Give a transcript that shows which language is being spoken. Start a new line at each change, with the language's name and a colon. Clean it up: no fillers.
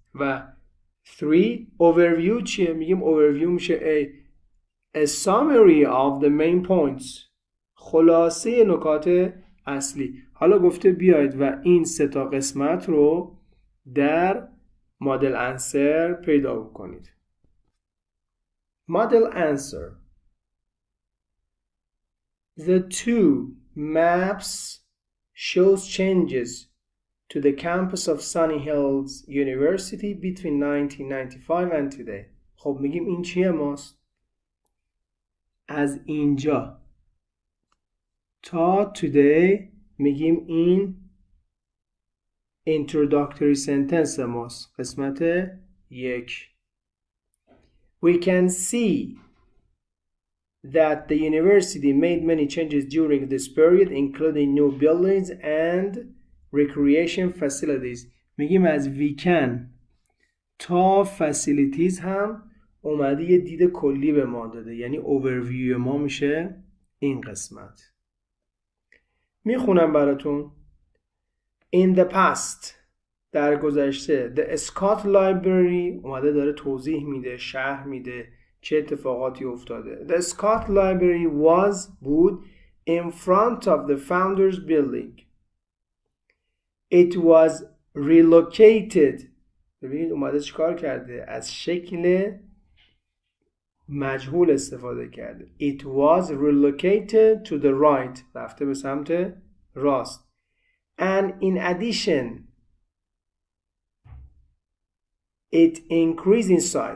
Persian: و 3 overview چیه؟ میگیم overview میشه
English: A summary of the main points،
Persian: خلاصه نکات اصلی. حالا گفته بیاید و این سه تا قسمت رو در model answer پیدا بکنید.
English: Model answer. The two maps shows changes to the campus of Sunny Hills University between 1995 and today.
Persian: خب میگیم این چیه ماست؟ از اینجا تا today میگیم این introductory sentence ماست، قسمت یک.
English: We can see that the university made many changes during this period, including new buildings and recreation facilities.
Persian: میگیم از
English: we can
Persian: تا facilities هم اومده یه دید کلی به ما داده، یعنی overview ما میشه این قسمت. میخونم براتون.
English: In the past،
Persian: در گذشته، The Scott Library اومده داره توضیح میده، شرح میده چه اتفاقاتی افتاده.
English: The Scott Library was
Persian: بود
English: in front of the Founders Building. It was relocated.
Persian: ببینید اومده چیکار کرده؟ از شکل مجهول استفاده کرده.
English: It was relocated to the right.
Persian: رفته به سمت راست.
English: And in addition, it increased in size.